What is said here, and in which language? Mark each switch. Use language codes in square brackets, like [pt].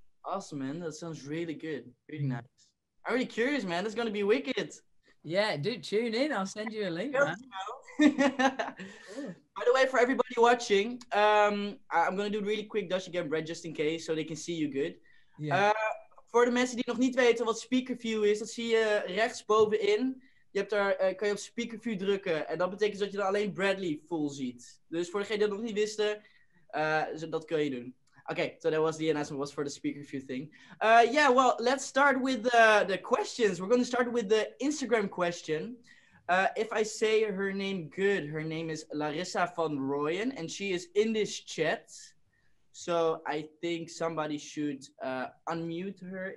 [en] Awesome, man. That sounds really good. Really nice. I'm really curious, man. That's gonna be wicked. Yeah, dude, tune in. I'll send you a link, man. By the way, for everybody watching, I'm going to do a really quick Dutch again, Brad, just in case, so they can see you good. [nl] Voor de mensen die nog niet weten wat speakerview is, dat zie je rechtsbovenin. Je hebt daar, kan je op speakerview drukken en dat betekent dat je dan alleen Bradley full ziet. Dus voor degenen die dat nog niet wisten, dat kun je doen. [en] Okay, so that was the announcement was for the speakerview thing. Yeah, well, let's start with the questions. We're going to start with the Instagram question. If I say her name good, her name is Larissa van Royen, and she is in this chat. So I think somebody should unmute her.